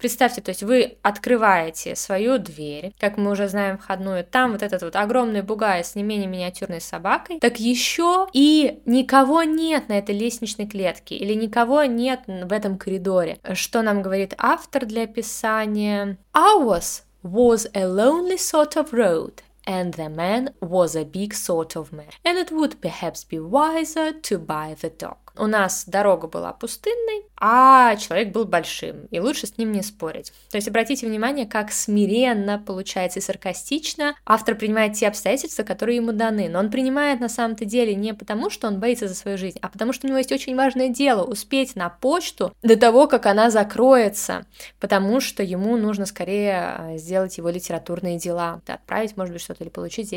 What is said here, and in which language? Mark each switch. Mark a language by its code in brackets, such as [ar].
[ru] Представьте, то есть вы открываете свою дверь, как мы уже знаем, входную, там вот этот вот огромный бугай с не менее миниатюрной собакой, так еще и никого нет на этой лестничной клетке, или никого нет в этом коридоре. Что нам говорит автор для описания? [en] Ours was a lonely sort of road. And the man was a big sort of man. And it would perhaps be wiser to buy the dog. [ru] У нас дорога была пустынной, а человек был большим, и лучше с ним не спорить. То есть обратите внимание, как смиренно, получается, и саркастично автор принимает те обстоятельства, которые ему даны. Но он принимает на самом-то деле не потому, что он боится за свою жизнь, а потому что у него есть очень важное дело — успеть на почту до того, как она закроется, потому что ему нужно скорее сделать его литературные дела, отправить, может быть, что-то или получить.